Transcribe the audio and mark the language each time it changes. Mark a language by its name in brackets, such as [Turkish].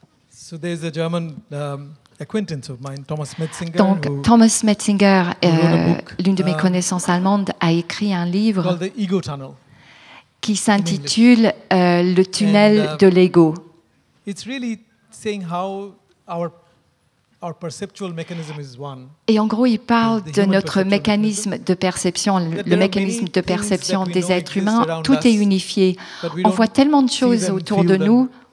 [English] So there's a German acquaintance of mine, Thomas Metzinger. [French] Donc Thomas Metzinger, l'une de mes connaissances allemandes, a écrit un livre [English] called The Ego Tunnel, [French] qui s'intitule Le tunnel de l'ego. [English] It's really saying how our perceptual mechanism is one. [French] Et en gros, il parle de notre mécanisme de perception, le mécanisme de perception des êtres humains. Tout est unifié. On voit tellement de choses autour de nous.